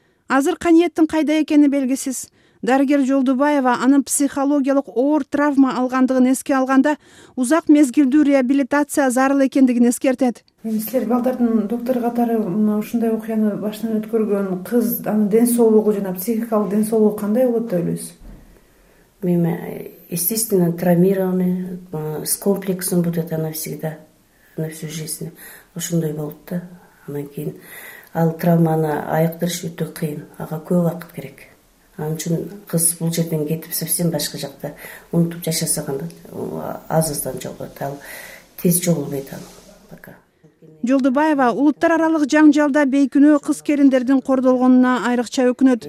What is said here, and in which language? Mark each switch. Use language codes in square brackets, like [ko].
[ky] Азыр Каниеттин кайда экени белгисиз. Дарыгер Жолдубаева анын психологиялык оор травма алгандыгын эске алганда, узак мезгилдүү реабилитация зарыл экендигин эскертет. Силер балдардын доктор катары ушундай окуяны башынан өткөргөн кыз анын ден соолугу жана психикалык ден соолугу кандай болот деп ойлойсуз? [ru] Мен естественно травмированный, с комплексом будет она всегда на всю жизнь. [ky] Ошондой болот да. Анан кийин ал травманы айыктырыш өтө кыйын. Ага көп убакыт керек. Анын үчүн кыз бул жерден кетип совсем башка жакта унутуп жашаса кандай? Азыздан жоголот ал. Тез жоголбойт ал. Пока. Жолдубаева улуттар аралык жаңжалда бейкүнөө кыз келиндердин кордолгонуна айрыкча өкүнөт.